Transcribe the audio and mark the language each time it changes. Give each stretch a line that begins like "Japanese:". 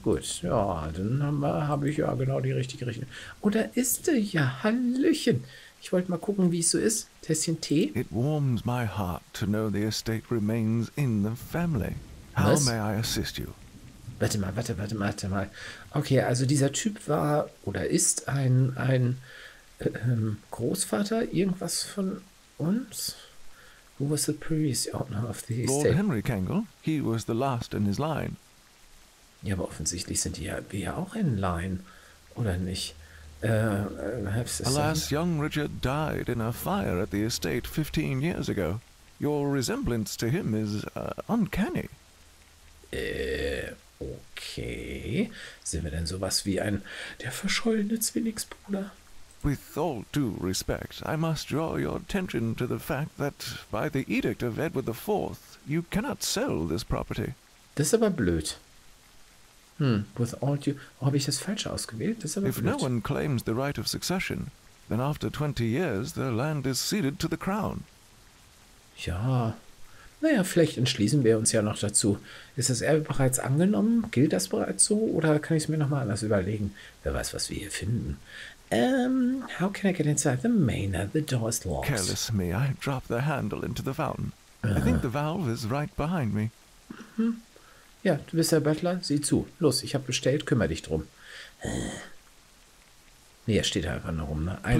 German: Gut, ja, dann hab ich ja genau die richtige Richtung. Oh, da ist er ja. Hallöchen. Ich wollte mal gucken, wie es so ist. Tässchen Tee.
English: It warms my heart to know the estate remains in the family. How may I assist you?
German: Warte mal. Okay, also dieser Typ war oder ist ein Großvater, irgendwas von uns?
English: Who was the previous owner of the estate? Lord Henry Kangle. He was the last in his line.
German: Ja, aber offensichtlich sind wir ja auch
English: in line,
German: oder nicht?
English: Alas, young Richard died in a fire at the estate 15 years ago. Your resemblance to him is uncanny. Okay.
German: Sind wir denn sowas wie ein der verschollene Zwillingsbruder?
English: With all due respect, I must draw your attention to the fact that by the edict of Edward IV, you cannot sell this property.
German: Das ist aber blöd.
English: With all due...
German: Oh, habe ich das falsch ausgewählt? Das ist aber
English: blöd. If no one claims the right of succession, then after 20 years the land is ceded to the crown. Ja...
German: Naja, vielleicht entschließen wir uns ja noch dazu. Ist das Erbe bereits angenommen? Gilt das bereits so? Oder kann ich es mir nochmal anders überlegen? Wer weiß, was wir hier finden.
English: How can I get inside the manor? The door is locked. Careless me, I drop the handle into the fountain. I think the valve is right behind me.
German: Ja, du bist der Butler? Sieh zu. Los, ich habe bestellt, kümmere dich drum. Nee, er steht einfach nur rum, ne? Ein